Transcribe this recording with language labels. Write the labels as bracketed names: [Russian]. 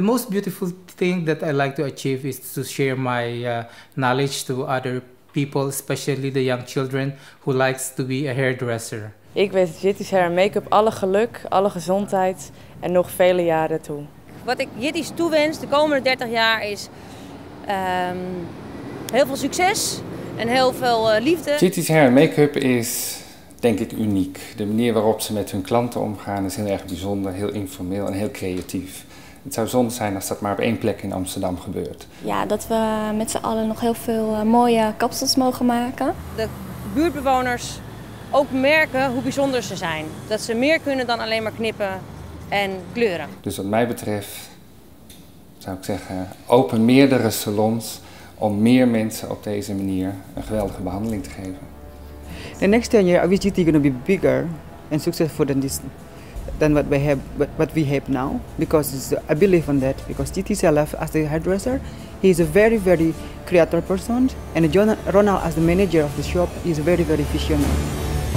[English] Beautiful thing that I like to achieve is to share my knowledge to other people, especially the young children who likes to be a hairdresser. [Dutch] Ik wens Jitty's Hair & Makeup alle geluk, alle gezondheid en nog vele jaren toe. Wat ik Jitty's toewens de komende 30 jaar is heel veel succes en heel veel liefde. Jitty's Hair & Makeup is denk ik uniek. De manier waarop ze met hun klanten omgaan is heel erg bijzonder, heel informeel en heel creatief. Het zou zonde zijn als dat maar op één plek in Amsterdam gebeurt. Ja, dat we met z'n allen nog heel veel mooie kapsels mogen maken. De buurtbewoners ook merken hoe bijzonder ze zijn. Dat ze meer kunnen dan alleen maar knippen en kleuren. Dus wat mij betreft zou ik zeggen, open meerdere salons om meer mensen op deze manier een geweldige behandeling te geven. [English] The next 10 years, obviously it's going to be bigger and successful than this. Than what we have now, because I believe in that. Because Jitty himself, as the hairdresser, he is a very, very creative person, and Ronald, as the manager of the shop, is very, very visionary.